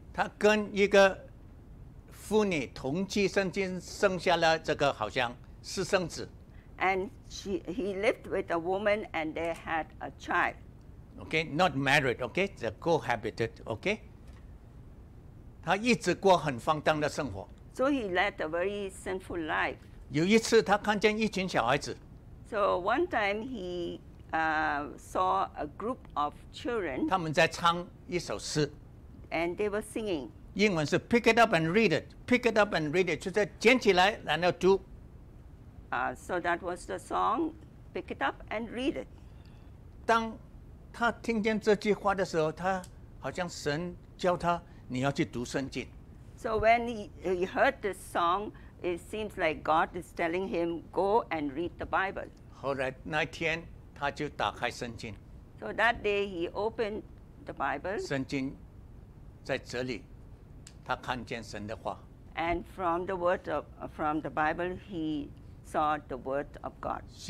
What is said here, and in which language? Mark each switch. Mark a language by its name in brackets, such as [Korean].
[Chinese] 他跟一个妇女同居生下了这个好像私生子。 [English] And he lived with a woman and they had a child. Okay, not married, okay? They cohabited, okay? [Chinese] 他一直过很荒唐的生活。 [English] So he led a very sinful life. [Chinese] 有一次他看见一群小孩子。 [English] So one time he saw a group of children. [Chinese] 他们在唱一首诗。 [English] And they were singing. [Chinese] 英文是 [English] pick it up and read it, [Chinese] pick it up and read it, 就是捡起来然后读。 [English] So that was the song, pick it up and read it. [Chinese] 当他听见这句话的时候，他好像神教他你要去读圣经。 [English] So when he heard this song, it seems like God is telling him, go and read the Bible. [Chinese] 后来那天他就打开圣经。 [English] So that day he opened the Bible. [Chinese] 圣经在这里，他看见神的话。 [English] And from the word of, from the Bible, he saw the word of God.